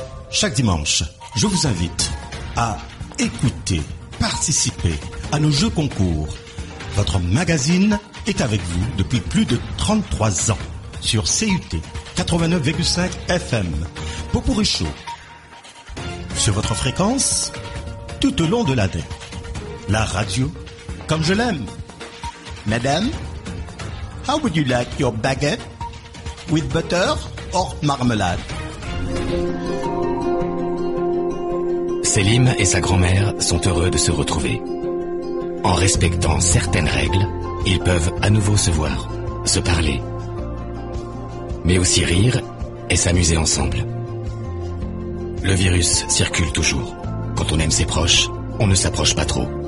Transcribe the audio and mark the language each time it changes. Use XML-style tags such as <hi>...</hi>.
<fr>Chaque dimanche, je vous invite à écouter, participer à nos jeux concours. Votre magazine est avec vous depuis plus de 33 ans sur CUT 89,5 FM. Potpourri Show sur votre fréquence tout au long de l'année. La radio comme je l'aime.</fr> <en>Madame, how would you like your baguette with butter or marmalade?</en> <fr>Selim et sa grand-mère sont heureux de se retrouver. En respectant certaines règles, ils peuvent à nouveau se voir, se parler, mais aussi rire et s'amuser ensemble. Le virus circule toujours. Quand on aime ses proches, on ne s'approche pas trop.</fr>